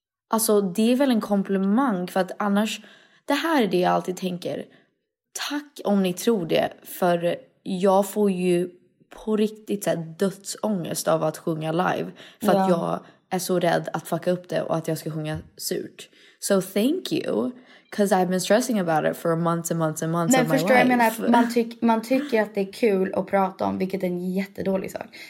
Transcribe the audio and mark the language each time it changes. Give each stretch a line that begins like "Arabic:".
Swedish: Alltså, det är väl en komplimang för att annars, det här är det jag alltid tänker. Tack om ni tror det, för jag får ju på riktigt så här dödsångest av att sjunga live. För att jag... är så rädd att fucka upp det och att jag ska sjunga surt.
English: So thank you. Because I've been stressing about it for months and months and months
Swedish: men,
English: of my life.
Swedish: Men förstår jag menar, man tycker att det är kul att prata om, vilket är en jättedålig sak.